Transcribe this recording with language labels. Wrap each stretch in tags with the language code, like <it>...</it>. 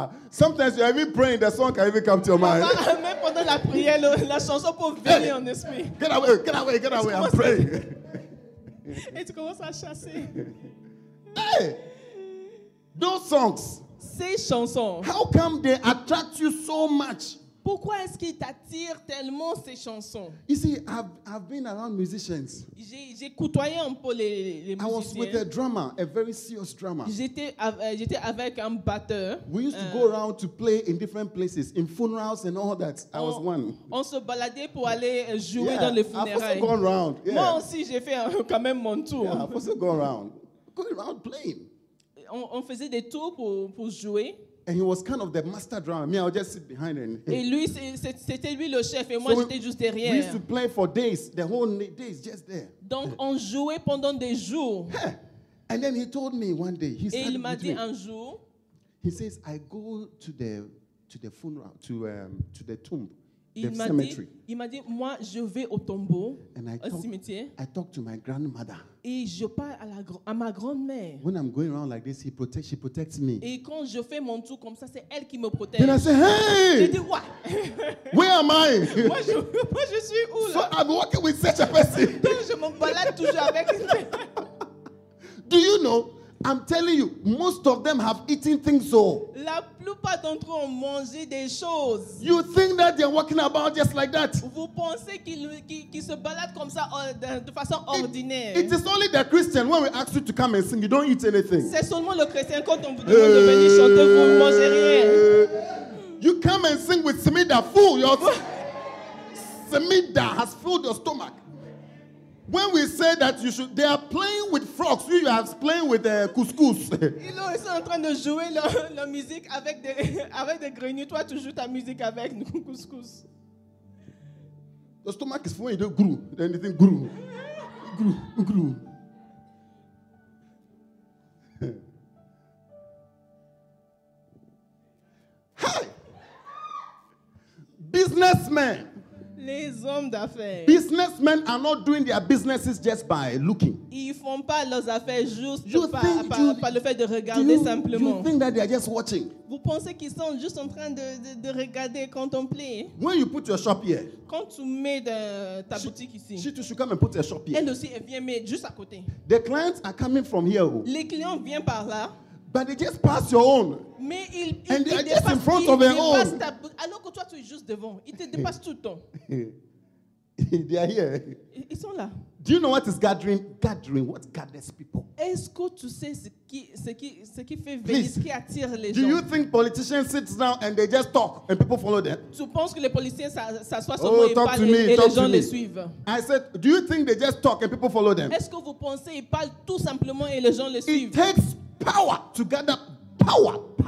<en>Sometimes you are even praying, the song can even come to your mind.</en> <fr>Même pendant la prière, la chanson peut venir en esprit.</fr> <en>Get away, I'm praying.</en> <fr>Et tu commences à chasser.</fr> <en>Hey! Those songs.</en> <fr>Ces chansons.</fr> <en>How come they attract you so much?</en> <fr>Pourquoi est-ce qu'ils t'attirent tellement ces chansons?</fr> <en>You see, I've been around musicians.</en> <fr>J'ai côtoyé un peu les musiciens.</fr> <en>I was with a drummer, a very serious drummer.</en> <fr>J'étais avec un batteur.</fr> <en>We used to go around to play in different places, in funerals and all that. I was one.</en> <fr>On se baladait pour aller jouer dans les funérailles.</fr> <en>I've also gone around. Yeah.</en> <fr>Moi aussi, j'ai fait quand même mon tour.</fr> <en>Yeah, I've also gone around. Going around playing.</en> <fr>On faisait des tours pour jouer.</fr> <en>And he was kind of the master drummer. Me, I would just sit behind him.</en> <fr>Et lui, c'était lui le chef, et moi</fr> <en>so</en> <fr>j'étais juste derrière.</fr> <en>We used to play for days, the whole days, just there.</en> <fr>Donc on jouait pendant des jours.</fr> <en>And then he told me one day. He</en> <fr>et il m'a dit un jour.</fr> <en>He says, "I go to the funeral, to the tomb,</en> <fr>il</fr> <en>the cemetery."</en> <fr>Il m'a dit, moi je vais au tombeau, au cimetière.</fr> <en>I talk to my grandmother.</en> <fr>Et je parle à ma grand-mère.</fr> <en>When I'm going around like this, she protects me.</en> <fr>Et quand je fais mon tour comme ça, c'est elle qui me protège.</fr> <en>Then I say, hey!</en> <fr>Je dis,</fr> <en>what? Where am I?</en> <fr>Moi, je suis où là?</fr> <en>So I'm walking with such a person.</en> <fr>Donc je me balade toujours avec.</fr> <en>Do you know? I'm telling you, most of them have eaten things so.</en> <fr>La plupart d'entre eux ont mangé des choses.</fr> <en>You think that they're walking about just like that?</en> <fr>Vous pensez qu'ils se baladent comme ça de façon ordinaire?</fr> <en>It is only the Christian when we ask you to come and sing, you don't eat anything.</en> <fr>C'est seulement le chrétien quand on vous demande de venir chanter, vous ne mangez rien.</fr> <en>You come and sing with Semida, fool. Semida has filled your stomach. When we say that you should, they are playing with frogs. You are playing with couscous.</en> <fr>Ils sont en train de jouer leur musique avec des grenouilles. Toi, tu joues ta musique avec couscous.</fr> <en>The stomach is full. It grew. Then it grew. It grew. Hey, businessmen.</en> <fr>Les hommes d'affaires.</fr> <en>Businessmen are not doing their businesses just by looking.</en> <fr>Ils font pas leurs affaires juste par le fait de regarder simplement.</fr> <en>You think that they are just watching?</en> <fr>Vous pensez qu'ils sont juste en train de regarder, contempler?</fr> <en>When you put your shop here.</en> <fr>Quand tu mets ta boutique ici.</fr> <en>She too should come and put her shop here.</en> <fr>Elle aussi, elle vient mettre juste à côté.</fr> <en>The clients are coming from here. Oh.</en> <fr>Les clients viennent par là.</fr> <en>But they just pass your own.</en> <fr>Mais il</fr> <en>and they are just in front of their own.</en> <fr>Alors que toi, tu es juste devant. Ils te dépassent tout le temps.</fr> <en>They are here.</en> <fr>Ils sont là.</fr> <en>Do you know what is gathering? Gathering, what gathers people?</en> <fr>Est-ce que tu sais ce qui fait venir, ce qui attire les</fr> <en>Do</en> <fr>gens?</fr> <en>Do you think politicians sit down and they just talk and people follow them?</en> <fr>Tu penses que les politiciens s'assoient sur eux et parlent et les gens les suivent?</fr> <en>I said, do you think they just talk and people follow them?</en> <fr>Est-ce que vous pensez ils parlent tout simplement et les gens les suivent?</fr> <en>It takes power to gather power.</en>